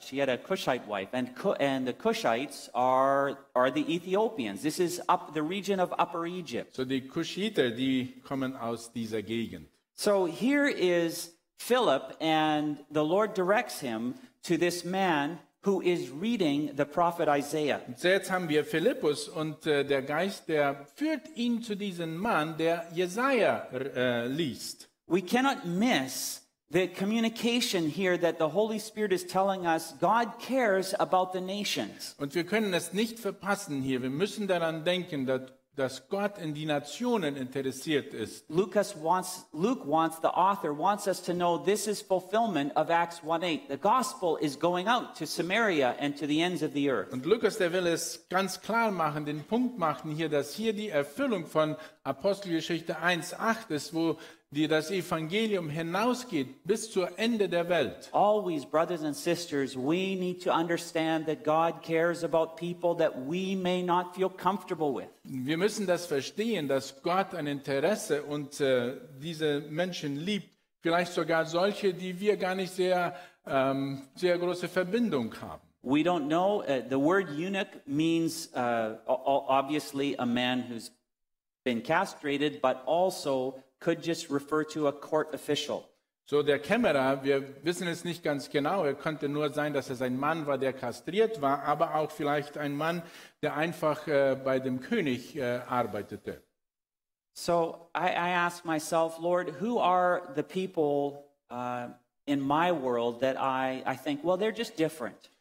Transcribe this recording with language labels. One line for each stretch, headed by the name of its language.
English: She had a Cushite wife, and the Cushites are the Ethiopians. This is up the region of Upper Egypt.
German: So the Cushiter, die kommen aus dieser Gegend.
English: So here is Philip, and the Lord directs him to this man who is reading the prophet Isaiah.
German: So jetzt haben wir Philippus, und der Geist, der führt ihn zu diesem Mann, der Jesaja liest.
English: We cannot miss the communication here that the Holy Spirit is telling us God cares about the nations.
German: Und wir können es nicht verpassen hier. Wir müssen daran denken, dass Gott in die Nationen interessiert ist.
English: Luke wants, the author wants us to know this is fulfillment of Acts 1:8. The gospel is going out to Samaria and to the ends of the earth.
German: Und Lukas, der will es ganz klar machen, den Punkt machen hier, dass hier die Erfüllung von Apostelgeschichte 1:8 ist, wo die das Evangelium hinausgeht bis zur Ende der Welt.
English: Always, brothers and sisters, we need to understand that God cares about people that we may not feel comfortable with.
German: Wir müssen das verstehen, dass Gott ein Interesse und diese Menschen liebt, vielleicht sogar solche, die wir gar nicht sehr sehr große Verbindung haben.
English: We don't know. The word eunuch means obviously a man who's been castrated, but also could just refer to a court official.
German: So der Kämmerer, wir wissen es nicht ganz genau, er könnte nur sein, dass es ein Mann war, der kastriert war, aber auch vielleicht ein Mann, der einfach bei dem König arbeitete.
English: So I ask myself, Lord, who are the people in my world that I think, well, they're just different.